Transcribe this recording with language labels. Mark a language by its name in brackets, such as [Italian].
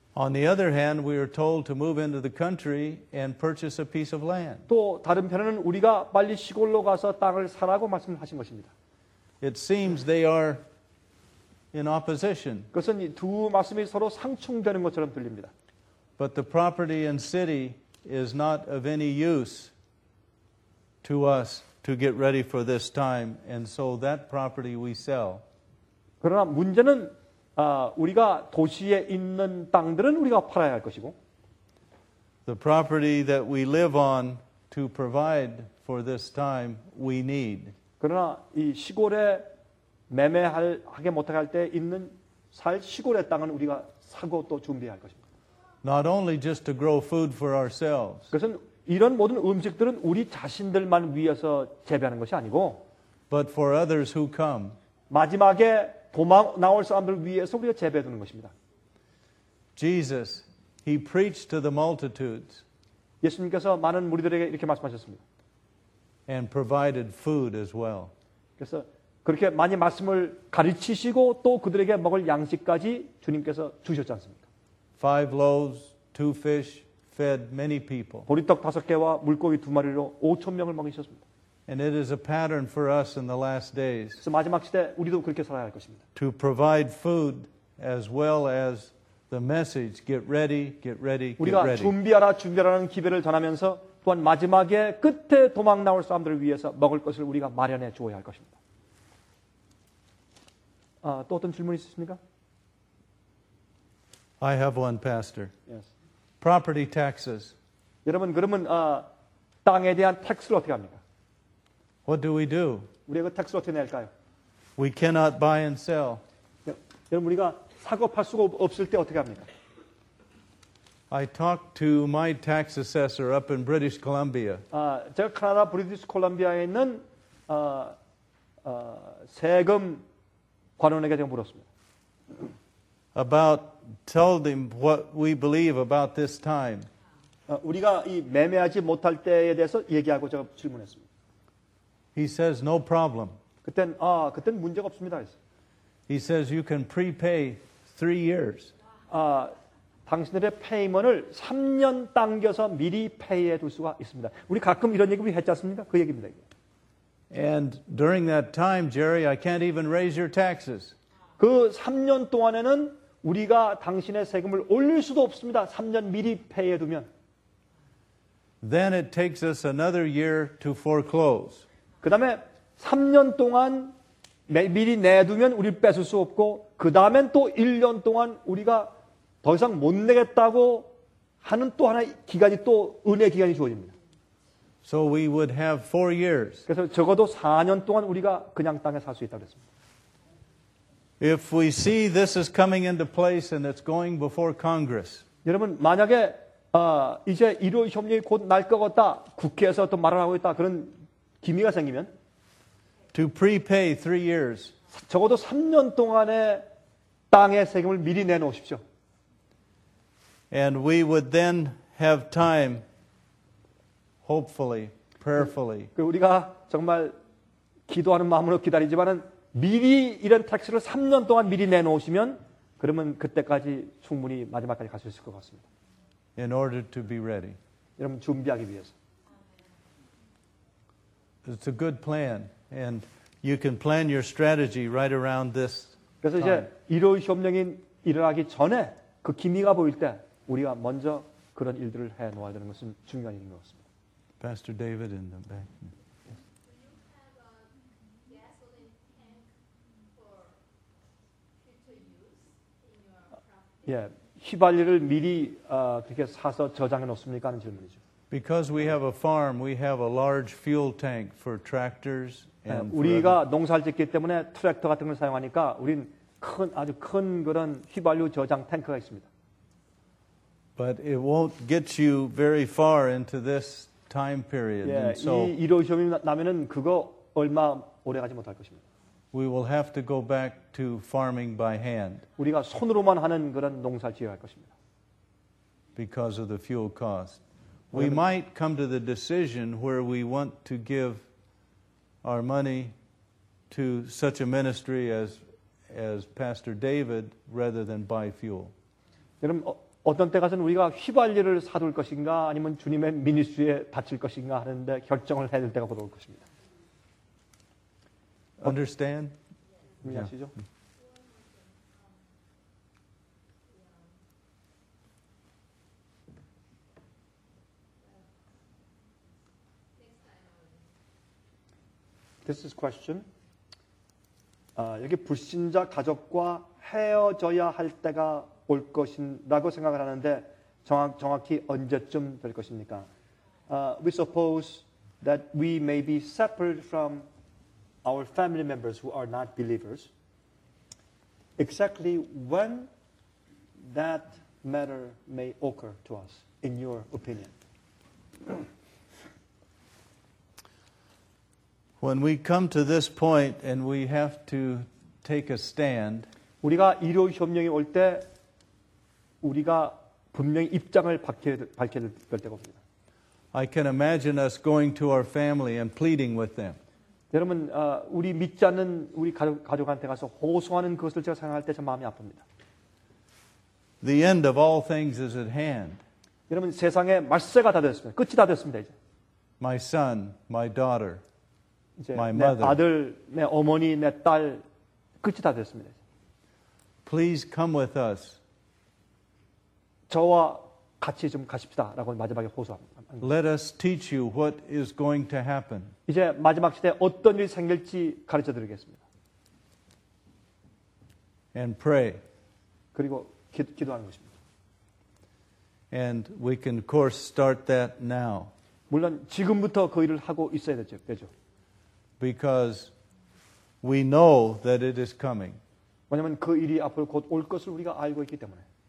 [English] On the other hand, we are told to move into the country and purchase a piece of land. [Korean] 또 다른 편에는 우리가 빨리 시골로 가서 땅을 사라고 말씀하신 것입니다. [English] It seems they are in opposition. [Korean] 그것은 두 말씀이 서로 상충되는 것처럼 들립니다. [English] But the property and city is not of any use to us to get ready for this time, and so that property we sell. [Korean] 그러나 문제는 우리가 도시에 있는 땅들은 우리가 팔아야 할 것이고. [English] The property that we live on to provide for this time we need. [Korean] 그러나 이 시골에 매매하게 못하게 할 때 있는 살 시골의 땅은 우리가 사고 또 준비할 것입니다. [English] Not only just to grow food for ourselves. [Korean] 그것은 이런 모든 음식들은 우리 자신들만 위해서 재배하는 것이 아니고 [English] but for others who come. [Korean] 마지막에 도망 나올 사람들 위해서 우리가 재배해두는 것입니다. [English] Jesus, he preached to the multitudes. [Korean] 예수님께서 많은 무리들에게 이렇게 말씀하셨습니다. [English] And provided food as well. [Korean] 그래서 그렇게 많이 말씀을 가르치시고 또 그들에게 먹을 양식까지 주님께서 주셨지 않습니까? [English] Five loaves, two fish fed many people. [Korean] 보리떡 다섯 개와 물고기 두 마리로 5천 명을 먹이셨습니다. [English] And it is a pattern for us in the last days. [Korean] 그래서 마지막 시대 우리도 그렇게 살아야 할 것입니다. [English] To provide food as well as the message, get ready, get ready, get ready. [Korean] 우리가 준비하라, 준비하라는 기별을 전하면서 또한 마지막에 끝에 도망 나올 사람들을 위해서 먹을 것을 우리가 마련해 주어야 할 것입니다. 또 어떤 질문 있으십니까? [English] I have one, Pastor. Yes. Property taxes. [Korean] 여러분 그러면 땅에 대한 택스를 어떻게 합니까? [English] What do we do? [Korean] 우리가 그 택스 어떻게 낼까요? [English] We cannot buy and sell. [Korean] 여러분 우리가 사고 팔 수가 없을 때 어떻게 합니까? [English] I talked to my tax assessor up in British Columbia. [Korean] 제가 캐나다 브리티시 콜롬비아에 있는 세금 관원에게 제가 물었습니다. [English] About told him what we believe about this time. [Korean] 우리가 이 매매하지 못할 때에 대해서 얘기하고 제가 질문했습니다. [English] He says no problem. [Korean] 그땐 아, 그땐 문제가 없습니다. [English] He says you can prepay 3 years. [Korean] 당신들의 페이먼을 3년 당겨서 미리 페이해 둘 수가 있습니다. 우리 가끔 이런 얘기를 했지 않습니까? 그 얘기입니다. [English] And during that time, Jerry, I can't even raise your taxes. [Korean] 그 3년 동안에는 우리가 당신의 세금을 올릴 수도 없습니다. 3년 미리 페이해 두면. [English] Then it takes us another year to foreclose. [Korean] 그 다음에 3년 동안 미리 내두면 우리를 뺏을 수 없고 그 다음엔 또 1년 동안 우리가 더 이상 못 내겠다고 하는 또 하나의 기간이 또 은혜 기간이 주어집니다. [English] So we would have 4 years. [Korean] 그래서 적어도 4년 동안 우리가 그냥 땅에 살 수 있다고 했습니다. [English] If we see this is coming into place and it's going before Congress. [Korean] 여러분 만약에 이제 1호 협력이 곧 날 것 같다. 국회에서 또 말을 하고 있다. 그런 기미가 생기면 [English] to prepay 3 years. [Korean] 적어도 3년 동안에 땅의 세금을 미리 내놓으십시오. [English] And we would then have time, hopefully, prayerfully. [Korean] 우리가 정말 기도하는 마음으로 기다리지만은 미리 이런 택스를 3년 동안 미리 내놓으시면 그러면 그때까지 충분히 마지막까지 갈 수 있을 것 같습니다. [English] In order to be ready. [Korean] 여러분 준비하기 위해서. [English] It's a good plan, and you can plan your strategy right around this. [Korean] 그래서 이제 1호 협력이 일어나기 전에 그 기미가 보일 때. 우리가 먼저 그런 일들을 해 놓아야 되는 것은 중요한 일인 것 같습니다. [English] Pastor David in the back. Do you have a gasoline tank for future use in your property? [Korean] 예, 휘발유를 미리 그렇게 사서 저장해 놓습니까 하는 질문이죠. [English] Because we have a farm, we have a large fuel tank for tractors and [Korean] 우리가 농사를 짓기 때문에 트랙터 같은 걸 사용하니까 우린 큰 아주 큰 그런 휘발유 저장 탱크가 있습니다. [English] But it won't get you very far into this time period. Yeah, and so [Korean] 이로 시험이 나면은 그거 얼마 오래 가지 못할 것입니다. [English] We will have to go back to farming by hand. [Korean] 우리가 손으로만 하는 그런 농사를 지어야 할 것입니다. [English] Because of the fuel cost. We might come to the decision where we want to give our money to such a ministry as Pastor David rather than buy fuel. [Korean] 여러분, 어떤 때 가서는 우리가 휘발유를 사둘 것인가 아니면 주님의 미니스트리에 바칠 것인가 하는데 결정을 해야 될 때가 곧 올 것입니다. [English] Understand? [Korean] 이해하시죠? [English] This is question. [Korean] 여기 불신자 가족과 헤어져야 할 때가 올 것이라고 생각을 하는데 정확히 언제쯤 될 것입니까? [English] We suppose that we may be separated from our family members who are not believers. Exactly when that matter may occur to us, in your opinion? When we come to this point and we have to take a stand, [Korean] 우리가 1호 협력이 올 때 우리가 분명히 입장을 밝혀야 될 때가 옵니다. [English] I can imagine us going to our family and pleading with them. [Korean] 여러분, 우리 믿지 않는 우리 가족한테 가서 호소하는 것을 제가 생각할 때 참 마음이 아픕니다. [English] The end of all things is at hand. [Korean] 여러분, 세상의 말세가 다 됐습니다. 끝이 다 됐습니다, 이제. [English] My son, my daughter, my mother. [Korean] 내 아들, 내 어머니, 내 딸, 끝이 다 됐습니다. 이제. [English] Please come with us. [Korean] 저와 같이 좀 가십시다라고 마지막에 호소합니다. [English] Let us teach you what is going to happen. [Korean] 이제 마지막 시대에 어떤 일이 생길지 가르쳐 드리겠습니다. [English] and pray. [Korean] 그리고 기도하는 것입니다. [English] And we can, of course, start that now. [Korean] 물론 지금부터 그 일을 하고 있어야 되죠. [English] Because we know that it is coming. [Korean] 왜냐하면 그 일이 앞으로 곧 올 것을 우리가 알고 있기 때문에.